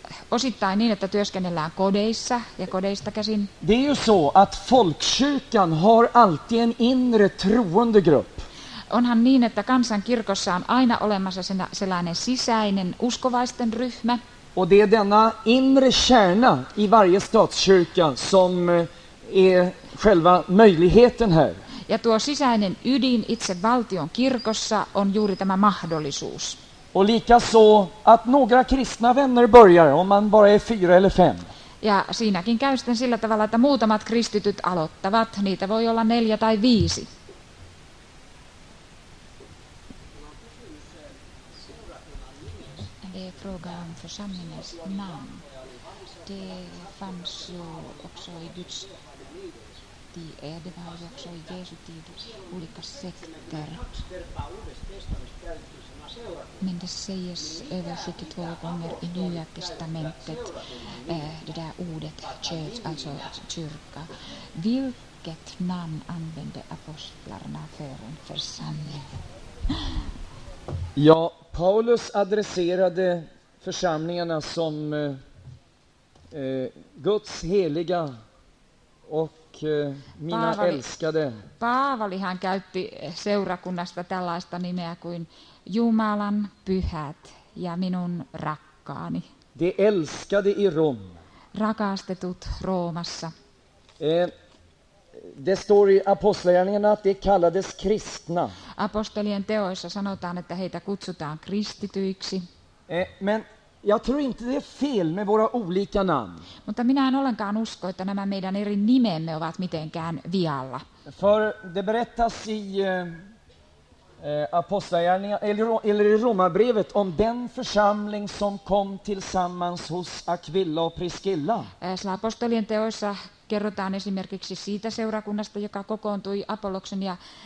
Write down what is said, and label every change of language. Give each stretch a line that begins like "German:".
Finnish: Osittain niin, että työskennellään kodeissa ja kodeista käsin.
Swedish: Det är ju så att folkkyrkan har alltid en inre troende grupp.
Finnish: Onhan niin, että kansankirkossa on aina olemassa sellainen sisäinen uskovaisten ryhmä.
Swedish: Och det är denna inre kärna i varje statskyrka som är själva möjligheten här.
Finnish: Ja tuo sisäinen ydin itse valtion kirkossa on juuri tämä mahdollisuus.
Swedish: Och lika så att några kristna vänner börjar om man bara är 4 eller 5.
Finnish: Ja siinäkin käy sitten sillä tavalla, että muutamat kristityt aloittavat. Niitä voi olla 4 tai 5.
Swedish: Fråga om församlingens namn. Det fanns ju också i Guds tid. Det var ju också i Jesu tid olika sekter. Men det sägs över 72 gånger i Nya testamentet det där ordet church, alltså kyrka. Vilket namn använde apostlarna för en församling? Ja, Paulus adresserade församlingarna som Guds heliga och mina älskade.
Finnish: Paavali han käytti seurakunnasta tällaista nimeä kuin Jumalan pyhät ja minun rakkaani.
Swedish: De älskade i Rom.
Finnish: Rakastetut Roomassa.
Swedish: Det står i apostlagärningarna att de kallades kristna.
Finnish: Apostolien teoissa sanotaan, että heitä kutsutaan kristityiksi.
Swedish: Men jag tror inte det är fel med våra olika namn.
Finnish: Mutta minä en ollenkaan usko, että nämä meidän eri nimemme ovat mitenkään vialla.
Swedish: För det berättas i apostlagärningarna eller i Romarbrevet om den församling som kom tillsammans hos Aquila och Priscilla.
Finnish: Apostolien teoissa kerrotaan esimerkiksi siitä seurakunnasta, joka kokoontui Apolloksen ja